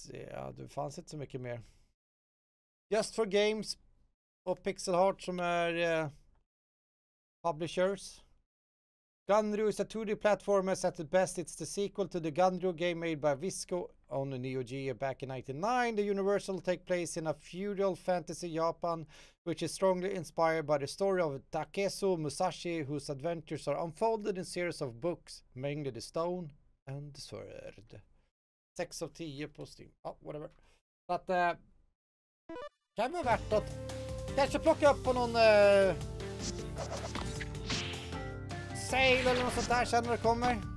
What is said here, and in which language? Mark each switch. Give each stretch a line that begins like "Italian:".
Swedish: Ja, det fanns inte så mycket mer. Just for Games och Pixel Heart som är publishers.
English: Gunryu is a 2D platformer set at best. It's the sequel to the Gunryu game made by Visco on the Neo Geo back in 1999. The universe will take place in a feudal fantasy Japan, which is strongly inspired by the story of Takeso Musashi, whose adventures are unfolded in series of books, mainly The Stone and the Sword.
Swedish: 6 av 10 på Steam. Ja,
English: oh, whatever.
Swedish: Så att kan vara värt att kanske plocka upp på någon sale eller något sånt där sen när det kommer.